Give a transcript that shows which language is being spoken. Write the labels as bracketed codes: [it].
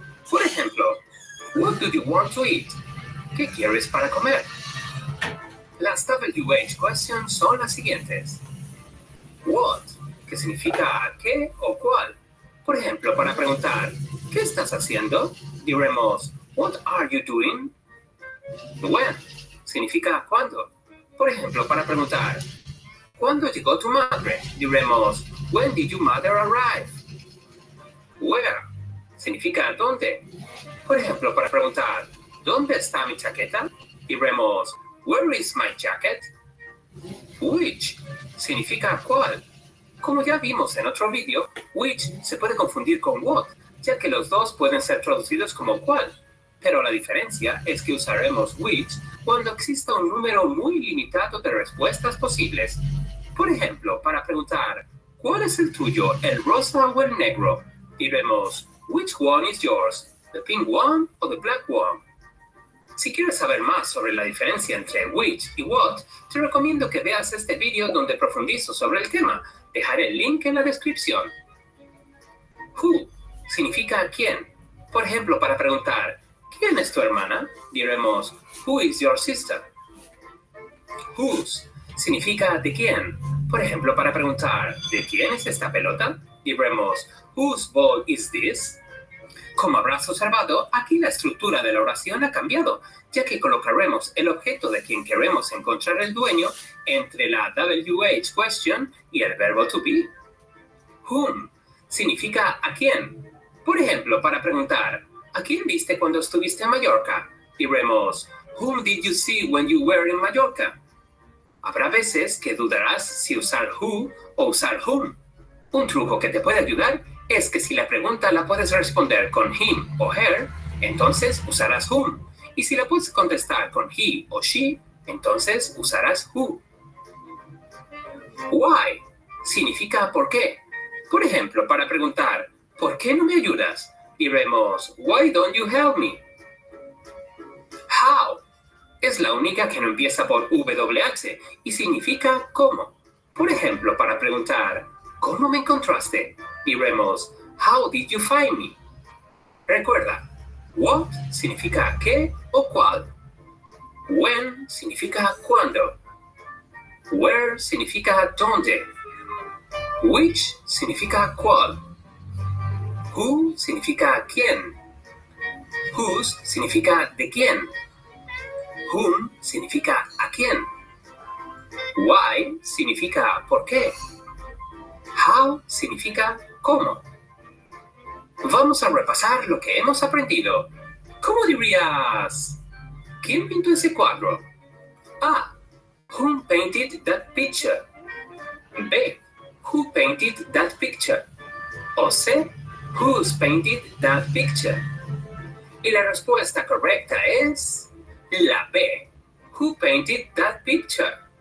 [es] Por ejemplo, [en] what do you want to eat? [es] ¿Qué quieres para comer? Las WH questions son las siguientes. What, que significa qué o cuál. Por ejemplo, para preguntar, ¿qué estás haciendo? [en] Diremos, what are you doing? [es] When, significa cuándo. Por ejemplo, para preguntar, ¿cuándo llegó tu madre? [en] Diremos, when did your mother arrive? [es] Where, significa dónde. Por ejemplo, para preguntar, ¿dónde está mi chaqueta? [en] Diremos, where is my jacket? [es] Which significa cuál. Como ya vimos en otro vídeo, which se puede confundir con what, ya que los dos pueden ser traducidos como cuál. Pero la diferencia es que usaremos which cuando exista un número muy limitado de respuestas posibles. Por ejemplo, para preguntar, ¿cuál es el tuyo, el rosa o el negro? [en] Diremos, which one is yours, the pink one or the black one? [es] Si quieres saber más sobre la diferencia entre which y what, te recomiendo que veas este vídeo donde profundizo sobre el tema. Dejaré el link en la descripción. Who significa quién. Por ejemplo, para preguntar, ¿quién es tu hermana? [en] Diremos, who is your sister? [es] Whose significa de quién. Por ejemplo, para preguntar, ¿de quién es esta pelota? [en] Diremos, whose ball is this? [es] Como habrás observado, aquí la estructura de la oración ha cambiado, ya que colocaremos el objeto de quien queremos encontrar el dueño entre la WH question y el verbo to be. Whom significa a quién. Por ejemplo, para preguntar, ¿a quién viste cuando estuviste en Mallorca? [en] Diremos, whom did you see when you were in Mallorca? [es] Habrá veces que dudarás si usar who o usar whom. Un truco que te puede ayudar es que si la pregunta la puedes responder con him o her, entonces usarás whom. Y si la puedes contestar con he o she, entonces usarás who. Why significa por qué. Por ejemplo, para preguntar, ¿por qué no me ayudas? [en] Diremos, why don't you help me? [es] How es la única que no empieza por WH y significa cómo. Por ejemplo, para preguntar, ¿cómo me encontraste? [en] Diremos, how did you find me? [es] Recuerda, what significa qué o cuál. When significa cuándo. Where significa dónde. Which significa cuál. Who significa quién. Whose significa de quién. Whom significa a quién. Why significa por qué. How significa cómo. Vamos a repasar lo que hemos aprendido. ¿Cómo dirías? ¿Quién pintó ese cuadro? A. [en] Whom painted that picture? B. Who painted that picture? O C. Who's painted that picture? [es] Y la respuesta correcta es la B. [en] Who painted that picture?